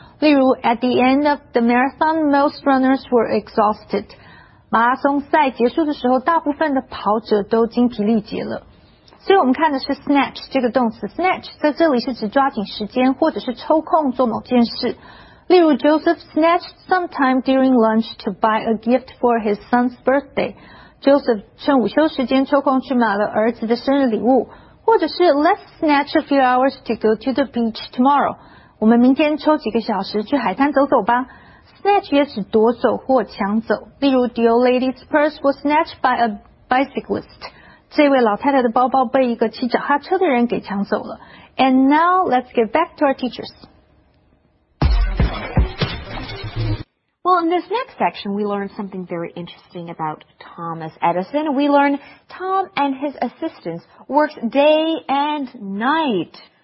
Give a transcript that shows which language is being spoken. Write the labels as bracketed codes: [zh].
[zh] 例如 [en] ,at the end of the marathon, most runners were exhausted. [zh] 马拉松赛结束的时候，大部分的跑者都精疲力竭了。所以我们看的是 snatch 这个动词。 snatch 在这里是指抓紧时间或者是抽空做某件事。例如 [en] ,Joseph snatched some time during lunch to buy a gift for his son's birthday. [zh] Joseph 趁午休时间抽空去买了儿子的生日礼物。或者是 , [en] let's snatch a few hours to go to the beach tomorrow. [zh] 我们明天抽几个小时去海滩走走吧。 [en] Snatch [zh] 也是夺走或抢走，例如 [en] The old lady's purse was snatched by a bicyclist. [zh] 这位老太太的包包被一个骑脚踏车的人给抢走了。 [en] And now let's get back to our teachers. Well, in this next section, we learn something very interesting about Thomas Edison. We learn Tom and his assistants worked day and night.